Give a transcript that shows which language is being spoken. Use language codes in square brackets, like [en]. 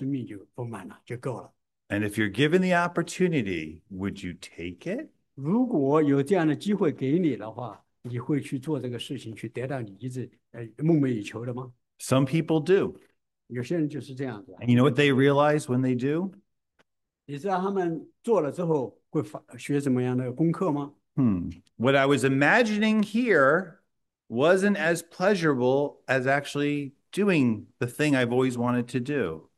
[zh] 他会跟我说，哦，只要我能够在那个地方，只要我能够得到那个人，哦，只要我有这一件的事情，那么我的生活，我的生命就丰满了，就够了。 [en] And if you're given the opportunity, would you take it? [zh] 如果有这样的机会给你的话，你会去做这个事情，去得到你一直梦寐以求的吗？ [en] Some people do. [zh] 有些人就是这样子。 [en] And you know what they realize when they do? [zh] 你知道他们做了之后会学什么样的功课吗？ [en] What I was imagining here wasn't as pleasurable as actually doing the thing I've always wanted to do.